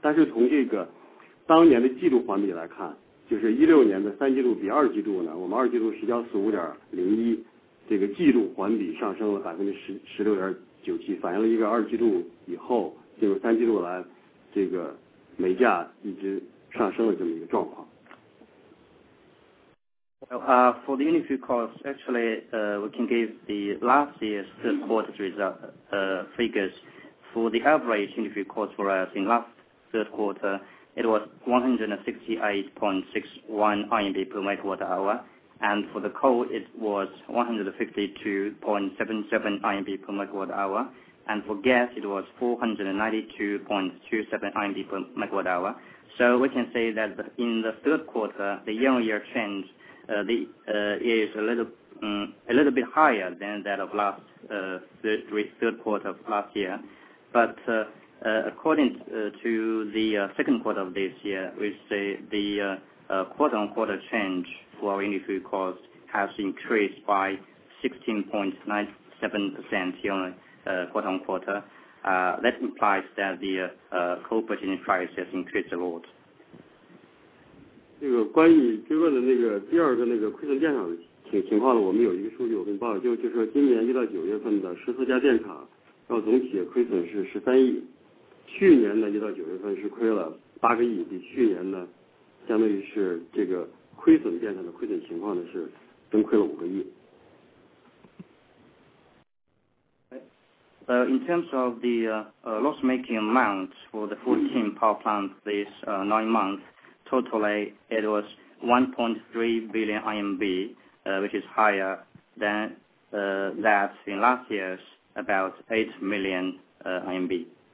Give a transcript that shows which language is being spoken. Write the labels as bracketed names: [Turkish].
[Chinese] 但是从这个当年的季度环比来看，就是16年的三季度比二季度呢，我们二季度是145.01，这个季度环比上升了16.97%，反映了一个二季度以后进入三季度来这个煤价一直上升的这么一个状况。 [English] For the unit fuel cost, actually, we can give the last year's third quarter's result, figures. For the average unit fuel cost for us in last third quarter, it was 168.61 RMB per megawatt hour, and for the coal, it was 152.77 RMB per megawatt hour, and for gas, it was 492.27 RMB per megawatt hour. So we can say that in the third quarter, the year-on-year trend is a little bit higher than that of last third quarter of last year, but according to the second quarter of this year, we see the quarter on quarter change for our unit fuel cost has increased by 16.97% year on quarter on quarter. That implies that the coal purchasing price has increased a lot. [Chinese] 这个关于追问的那个第二个那个亏损电厂的情况呢，我们有一个数据我跟你报，就是说今年1到9月份的14家电厂，然后总体亏损是13亿，去年呢1到9月份是亏了8个亿，比去年呢，相当于是这个亏损电厂的亏损情况呢是增亏了5个亿。 [English] In terms of the loss making amount for the 14 power plants this 9 months. Totally, it was 1.3 billion RMB, which is higher than that in last year's about 800 million RMB.